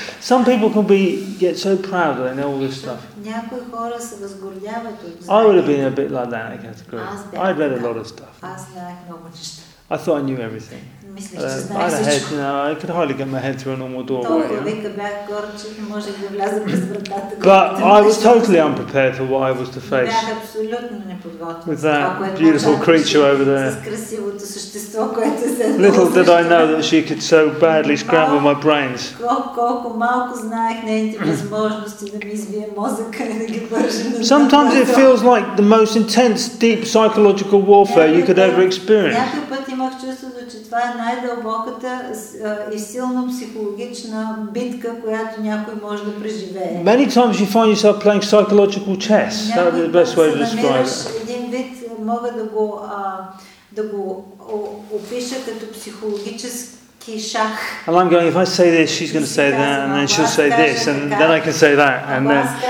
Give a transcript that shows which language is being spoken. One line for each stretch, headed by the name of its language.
English: Some people can get so proud that they know all this stuff.
Bulgarian: Някои хора се възгордяват от
English: знания. I would have been a bit like that, I guess. I read a lot of stuff.
Bulgarian: Аз знаех много неща.
English: I thought I knew everything.
Bulgarian: Мислиш, че знаеш всичко.
English: I could hardly get my head through a normal door.
Bulgarian: Толкова вика бях гор, че не можех да вляза през вратата.
English: But I was totally unprepared for what I was to face.
Bulgarian: Бях абсолютно неподготвен.
English: With that beautiful creature over there.
Bulgarian: С красивото същество, което се едно.
English: Little did I know that she could so badly scramble my brains.
Bulgarian: Колко малко знаех нейните възможности да ми избие мозъка и да ги вържа на.
English: Sometimes it feels like the most intense, deep psychological warfare you could ever experience.
Bulgarian: Някой път имах чувството, че това е най-дълбоката и силно психологична битка, която някой може да преживее.
English: Many times you find yourself playing psychological chess. That would be the best way to describe it.
Bulgarian: Един вид мога да го опиша като психологически.
English: And I'm going, if I say this, she's going to say that, and then she'll say this, and then I can say that, and then...